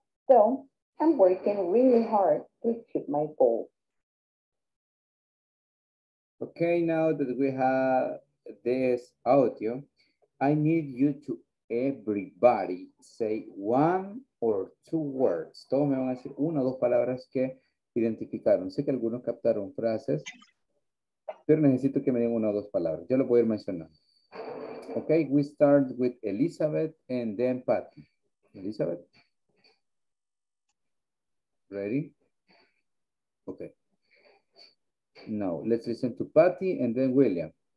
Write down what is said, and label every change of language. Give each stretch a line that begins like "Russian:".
English: So I'm working really hard to achieve my goal. Okay, now that we have this audio, I need you to everybody say one or two words.
Spanish: Todos me van a decir una o dos palabras que identificaron. Sé que algunos captaron frases, pero necesito que me den una o dos palabras. Yo lo voy a ir mencionando.
English: Okay, we start with Elizabeth and then Patty. Elizabeth? Ready? Okay. Now, let's listen to Patty and then William.